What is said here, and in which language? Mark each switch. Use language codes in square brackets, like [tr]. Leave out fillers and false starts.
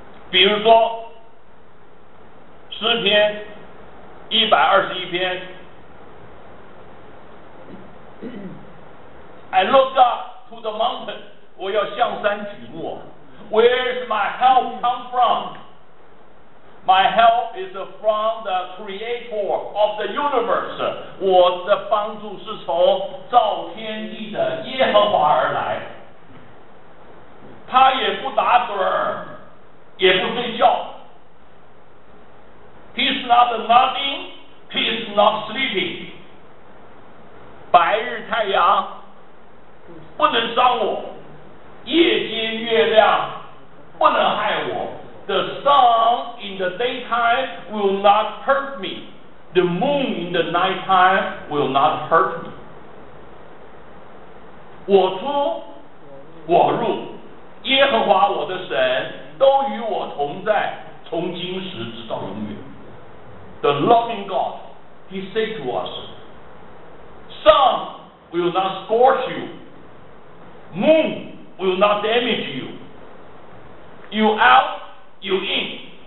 [zh] 比如说诗篇121篇 [en] I look up to the mountain. [zh] 我要向山举目。 [en] Where is my help come from? My help is from the creator of the universe. [zh] 我的帮助是从造天地的耶和华而来。他也不打盹儿，也不睡觉。 [en] He's not nothing, he's not sleeping. [zh] 白日太阳，不能伤我；夜间月亮不能害我。 [en] The sun in the daytime will not hurt me. The moon in the nighttime will not hurt me. [zh] 我出我入，耶和华我的神都与我同在，从今时直到永远。 [en] The loving God, He said to us, Sun will not scorch you, Moon will not damage you, You out, you in.